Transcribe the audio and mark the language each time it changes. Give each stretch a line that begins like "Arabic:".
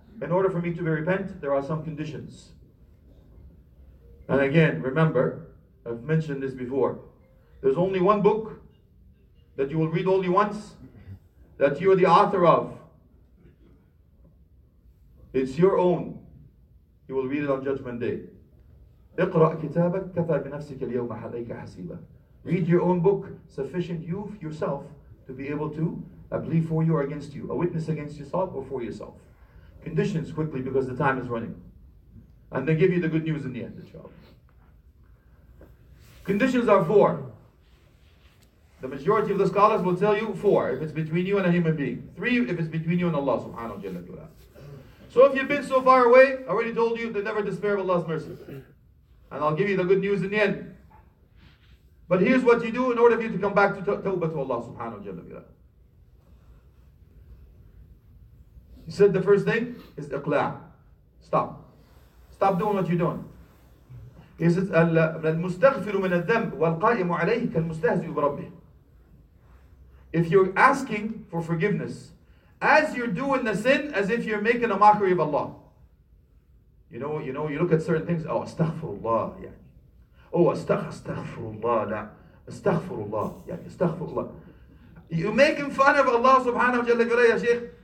English: In order for me to repent, there are some conditions. And again, remember, I've mentioned this before. There's only one book that you will read only once, that you're the author of. It's your own. You will read it on Judgment Day.
Arabic: اقرأ كتابك كفى بنفسك اليوم عليك حسيبا.
English: Read your own book, sufficient you yourself to be able to a plea for you or against you, a witness against yourself or for yourself. Conditions quickly because the time is running. And they give you the good news in the end, inshallah. Conditions are four. The majority of the scholars will tell you four if it's between you and a human being. Three if it's between you and Allah subhanahu wa ta'ala. So if you've been so far away, I already told you to never despair of Allah's mercy. And I'll give you the good news in the end. But here's what you do in order for you to come back to tawbah to Allah subhanahu wa ta'ala. He said the first thing is iqla'. Stop. Stop doing what you're doing. He says,
Arabic: المستغفر من الذنب والقائم عليه كالمستهزئ بربه.
English: If you're asking for forgiveness, as you're doing the sin, as if you're making a mockery of Allah. You know, you look at certain things, oh, astaghfirullah, yani. Oh, astaghfirullah, la. Astaghfirullah, yani, astaghfirullah. You're making fun of Allah subhanahu wa jalla jalla, ya Shaykh.